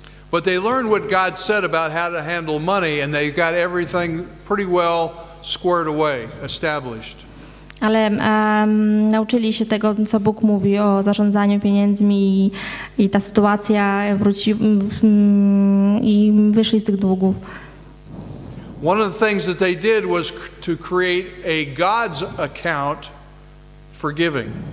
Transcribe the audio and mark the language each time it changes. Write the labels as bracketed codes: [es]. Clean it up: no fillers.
[en] But they learned what God said about how to handle money, and they got everything pretty well squared away, established. [pl] Ale nauczyli się tego, co Bóg mówi o zarządzaniu pieniędzmi, i ta sytuacja wróciła, i wyszli z tych długów. [en] One of the things that they did was to create a God's account for giving.